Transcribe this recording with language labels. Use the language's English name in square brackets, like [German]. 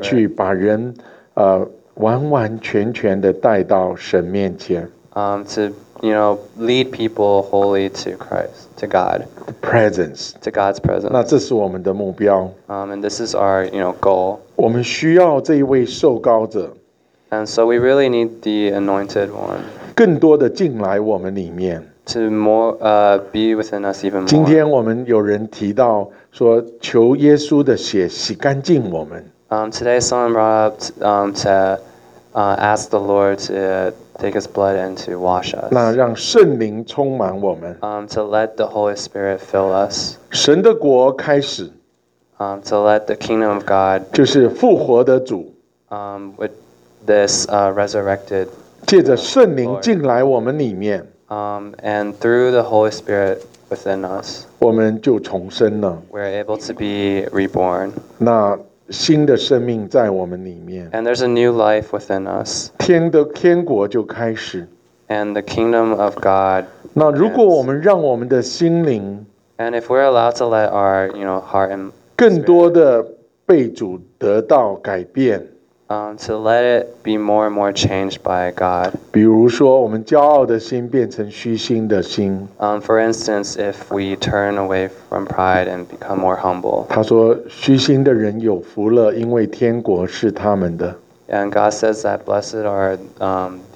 [Chinese] 去把人完完全全的带到神面前 [English] to you know lead people wholly to Christ, to God, the presence, to God's presence. [Chinese] 那这是我们的目标 [English] and this is our you know goal. [Chinese] 我们需要这一位受膏者。 [English] And so we really need the anointed one. [Chinese] 更多的进来我们里面。 [English] To more, be within us even more. [Chinese] 今天我们有人提到说，求耶稣的血洗干净我们。 [English] Today someone brought up ask the Lord to take His blood and to wash us. [Chinese] 那让圣灵充满我们。 [English] To let the Holy Spirit fill us. [Chinese] 神的国开始。 [English] To let the kingdom of God. [Chinese] 就是复活的主。 [English] This resurrected. [Chinese] 借着圣灵进来我们里面。 [English] And through the Holy Spirit within us. [Chinese] 我们就重生了。 [English] We're able to be reborn. [Chinese] 那新的生命在我们里面。 [English] And there's a new life within us. [Chinese] 天国就开始。 [English] And the kingdom of God. [Chinese] 那如果我们让我们的心灵。 [English] And if we're allowed to let our, you know, heart and. [Chinese] 更多的被主得到改变。 [English] To let it be more and more changed by God. [Chinese] 比如说，我们骄傲的心变成虚心的心。 [English] For instance, if we turn away from pride and become more humble. [Chinese] 他说，虚心的人有福了，因为天国是他们的。 [English] And God says that blessed are the